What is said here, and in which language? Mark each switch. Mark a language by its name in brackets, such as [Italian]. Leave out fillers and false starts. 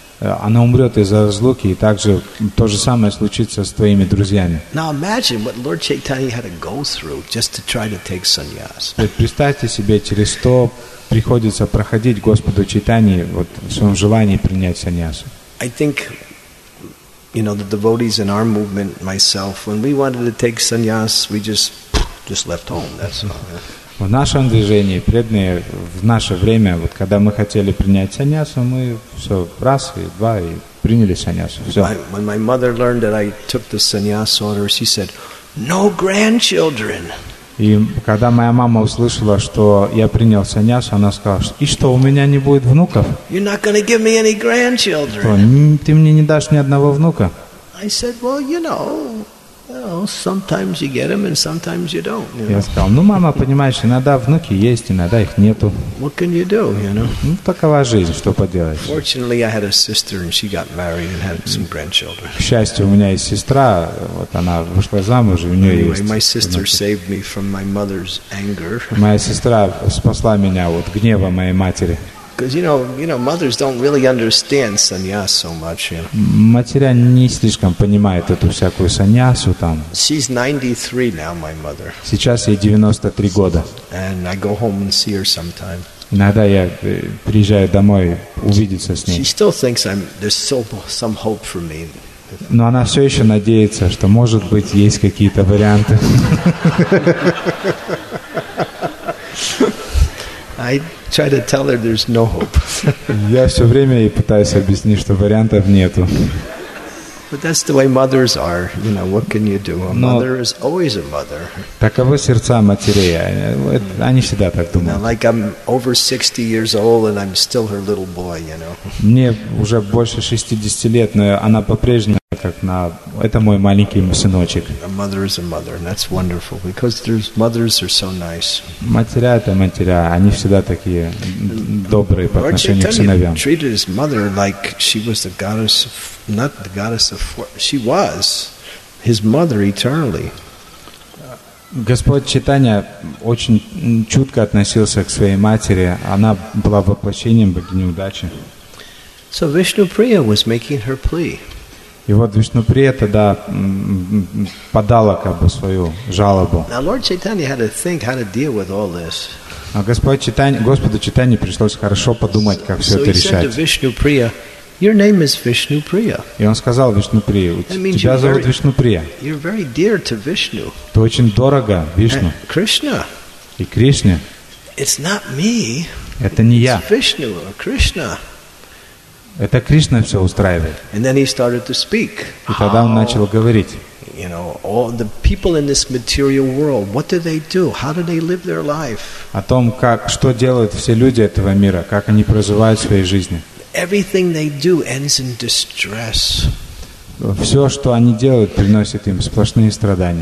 [Russian] Она умрет из-за разлуки, и также то же самое случится с твоими друзьями. [English] Now imagine what Lord Chaitanya had to go through just to try to take sannyas. [Russian] Представьте себе, через что приходится проходить Господу Чайтанье вот в своем желании принять саньясу. [English] I think, you know, the devotees in our movement, myself, when we wanted to take sannyas, we just left home. That's all. [Russian] В нашем движении, преданные, в наше время, вот когда мы хотели принять саньясу, мы все, раз и два, и приняли саньясу. Все. [English] When my mother learned that I took the sannyas order, she said, no grandchildren. [Russian] И когда моя мама услышала, что я принял саньясу, она сказала, и что, у меня не будет внуков? [English] You're not going to give me any grandchildren. [Russian] Что, ты мне не дашь ни одного внука? [English] I said, well, you know. Well, sometimes you get them and sometimes you don't. You know? [Russian] Я сказал, ну, мама, понимаешь, иногда внуки есть, иногда их нету. [English] What can you do, you know? [Russian] Ну, такова жизнь, что поделаешь. [English] Fortunately, I had a sister and she got married and had some grandchildren. [Russian] К счастью, у меня есть сестра, вот она вышла замуж, у нее есть. [English] My sister saved me from my mother's anger. [Russian] Моя сестра спасла меня от гнева моей матери. [English] Because you know, mothers don't really understand sannyas so much. You know. [Russian] Матеря не слишком понимает эту всякую саньясу там. [English] She's 93 now, my mother. [Russian] Сейчас ей 93 года. [English] And I go home and see her sometime. [Russian] Иногда я приезжаю домой увидеться с ней. [English] She still thinks there's still some hope for me. [Russian] Но она все еще надеется, что может быть есть какие-то варианты. [English] I try to tell her there's no hope. [Russian] Я все время ей пытаюсь объяснить, что вариантов нету. [English] But that's the way mothers are. You know, what can you do? A mother is always a mother. [Russian] Таковы сердца матерей. Они всегда так думают. [English] Now, like I'm over 60 years old and I'm still her little boy, you know. [Russian] Мне уже больше 60 лет, но она по-прежнему как на... Это мой маленький сыночек. [English] A mother is a mother, and that's wonderful, because there's mothers are so nice. [Russian] Матеря — это матеря. Они всегда такие добрые по отношению к сыновьям. [English] Lord Chaitanya treated his mother like she was the goddess of... Not the goddess of... She was his mother eternally. [Russian] Господь Чайтанья очень чутко относился к своей матери. Она была воплощением богини удачи. [English] So Vishnupriya was making her plea. [Russian] И вот Вишнуприя тогда подала как бы свою жалобу. [English] Now Lord Chaitanya had to think how to deal with all this. [Russian] А Господу Чайтанье пришлось хорошо подумать, как все это решать. [English] So he said to Vishnupriya, your name is Vishnupriya. [Russian] И он сказал Вишнуприе, тебя зовут Вишнуприя. [English] You're very dear to Vishnu. [Russian] Ты очень дорога Вишну. [English] Krishna. [Russian] И Кришне. [English] It's not me. [Russian] Это не я. [English] It's Vishnu or Krishna. [Russian] Это Кришна все устраивает. [English] And then he started to speak. [Russian] И тогда он начал говорить. [English] You know, all the people in this material world, what do they do? How do they live their life? [Russian] О том, как, что делают все люди этого мира, как они проживают свои жизни. [English] Everything they do ends in distress. [Russian] Все, что они делают, приносит им сплошные страдания.